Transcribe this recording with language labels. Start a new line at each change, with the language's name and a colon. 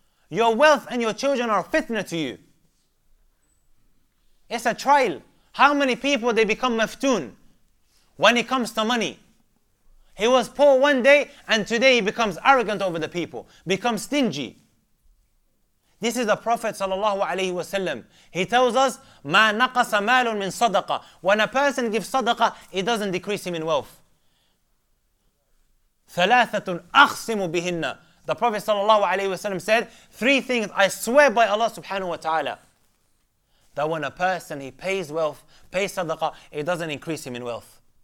English: Your wealth and your children are fitna to you. It's a trial. How many people they become maftoon when it comes to money? He was poor one day and today he becomes arrogant over the people, becomes stingy. This is the Prophet sallallahu alayhi wa sallam. He tells us,
Arabic: مَا نَقَسَ مَالٌ مِنْ صَدَقَةً.
English: When a person gives sadaqah, it doesn't decrease him in wealth.
Arabic: ثَلَاثَةٌ أَخْصِمُ بِهِنَّ.
English: The Prophet sallallahu alayhi wa sallam said, three things I swear by Allah subhanahu wa ta'ala, that when a person he pays wealth, pays sadaqah, it doesn't increase him in wealth.